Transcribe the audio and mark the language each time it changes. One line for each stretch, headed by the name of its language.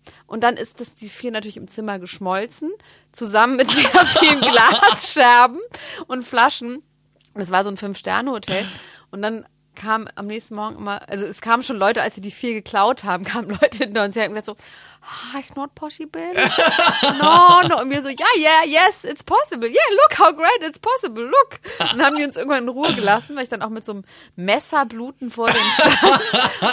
German: Und dann ist das die 4 natürlich im Zimmer geschmolzen. Zusammen mit sehr vielen Glasscherben und Flaschen. Das war so ein 5-Sterne-Hotel. Und dann kam am nächsten Morgen immer, also es kamen schon Leute, als sie die 4 geklaut haben, kamen Leute hinter uns her und gesagt so,
English: it's not possible. No, no.
German: Und wir so,
English: yes, it's possible. Yeah, look how great, it's possible, look.
German: Und dann haben die uns irgendwann in Ruhe gelassen, weil ich dann auch mit so einem Messer bluten vor dem Stand.